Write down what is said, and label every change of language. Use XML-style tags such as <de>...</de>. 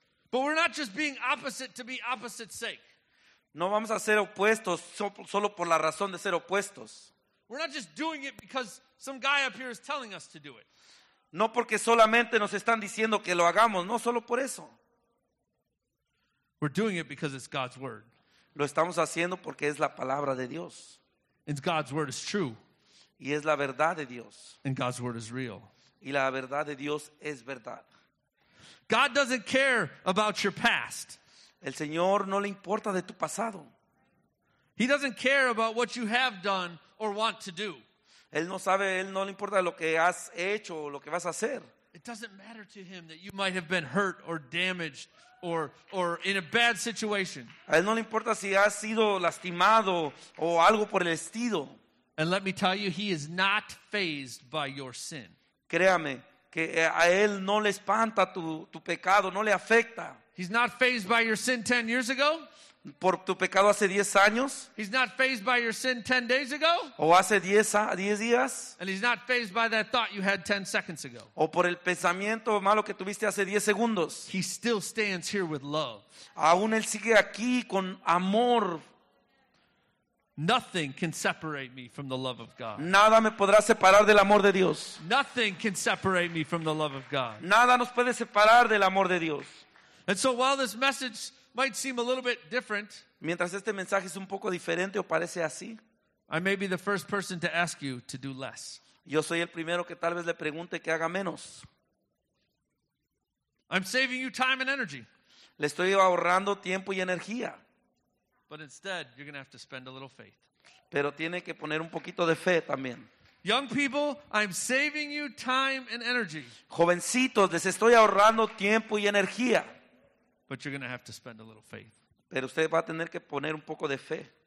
<en>But we're not just being opposite to be opposite's sake.</en> <es>No vamos a ser opuestos solo por la razón de ser opuestos.</es> <en>We're not just doing it because some guy up here is telling us to do it.</en> <es>No porque solamente nos están diciendo que lo hagamos, no solo por eso.</es> <en>We're doing it because it's God's word.</en> <es>Lo estamos haciendo porque es la palabra de Dios.</es> <en>And God's word is true.</en> <es>Y es la verdad de Dios.</es> <en>And God's word is real.</en> <es>Y la verdad de Dios es verdad.</es> <en>God doesn't care about your past.</en> <es>El Señor no le importa de tu pasado.</es> <en>He doesn't care about what you have done or want to do.</en> <es>Él no sabe, él no le importa lo que has hecho o lo que vas a hacer.</es> <en>It doesn't matter to him that you might have been hurt or damaged or in a bad situation.</en> <es>A él no le importa si has sido lastimado o algo por el estilo.</es> <en>And let me tell you, he is not fazed by your sin.</en> <es>Créame que a él no le espanta tu pecado, no le afecta.</es> <en>He's not fazed by your sin 10 years ago.</en> <es>Por tu pecado hace 10 años.</es> <en>He's not fazed by your sin 10 days ago.</en> <es>O hace 10 días.</es> <en>And he's not fazed by that thought you had 10 seconds ago.</en> <es>O por el pensamiento malo que tuviste hace 10 segundos.</es> <en>He still stands here with love.</en> <es>Aún él sigue aquí con amor.</es> <en>Nothing can separate me from the love of God.</en> <es>Nada me podrá separar del amor de Dios.</es> <en>Nothing can separate me from the love of God.</en> <es>Nada nos puede separar del amor de Dios.</es> <en>And so while this message might seem a little bit different,</en> <es>mientras este mensaje es un poco diferente o parece así,</es> <en>I may be the first person to ask you to do less.</en> <es>Yo soy el primero que tal vez le pregunte que haga menos.</es> <en>I'm saving you time and energy.</en> <es>Le estoy ahorrando tiempo y energía.</es> <en>But instead, you're going to have to spend a little faith.</en> <es>Pero tiene que poner un poquito de fe también.</es> <en>Young people, I'm saving you time and energy.</en> <es>Jovencitos, les estoy ahorrando tiempo y energía.</es> <en>But you're going to have to spend a little faith.</en> <es>Pero usted va a tener que poner un poco de fe.</es>